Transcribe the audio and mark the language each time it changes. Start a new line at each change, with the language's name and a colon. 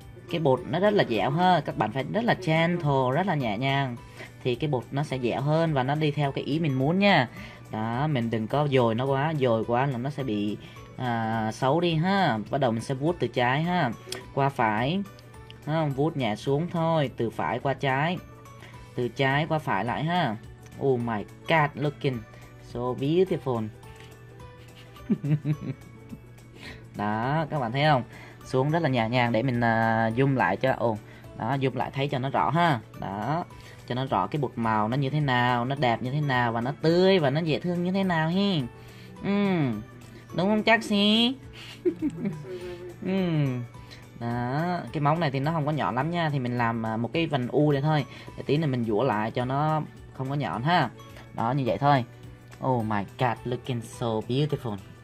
Vietnamese: Cái bột nó rất là dẻo ha, các bạn phải rất là gentle, rất là nhẹ nhàng thì cái bột nó sẽ dẻo hơn và nó đi theo cái ý mình muốn nha. Đó mình đừng có dồi nó quá, dồi quá là nó sẽ bị xấu đi ha. Bắt đầu mình sẽ vuốt từ trái ha qua phải ha, vuốt nhẹ xuống thôi, từ phải qua trái, từ trái qua phải lại ha.
English: Oh my god, looking so beautiful.
Vietnamese: Đó các bạn thấy không, xuống rất là nhẹ nhàng để mình zoom lại cho đó, zoom lại thấy cho nó rõ ha. Đó cho nó rõ cái bột màu nó như thế nào, nó đẹp như thế nào và nó tươi và nó dễ thương như thế nào hi. Đúng không chắc xí? Đó cái móng này thì nó không có nhọn lắm nha, thì mình làm một cái vành u này thôi để tí này mình vuỗ lại cho nó không có nhọn ha. Đó như vậy thôi.
English: Oh my god, looking so beautiful.